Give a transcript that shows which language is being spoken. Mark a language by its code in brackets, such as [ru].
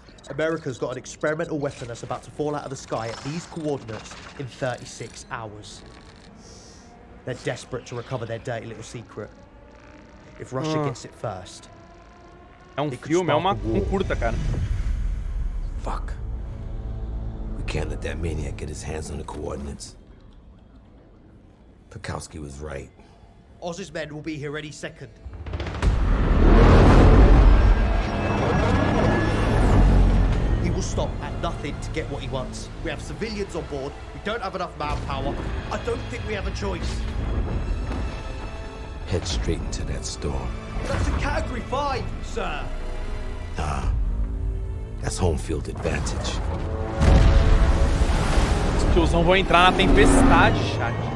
[en] America's got an experimental weapon that's about to fall out of the sky at these coordinates in 36 hours. They're desperate to recover their dirty little secret. If Russia gets it first, [pt] é um filme, curta, cara. [en] Fuck. We can't let that maniac get his hands on the coordinates. Pakowski was right. Oz's men will be here ready second. He will stop at nothing to get what he wants. We have civilians on board. We don't have enough manpower. I don't think we have a choice. Head straight into that storm. That's a category 5, sir. Nah. That's home field advantage. [pt] Os tios não vão entrar na tempestade, chat.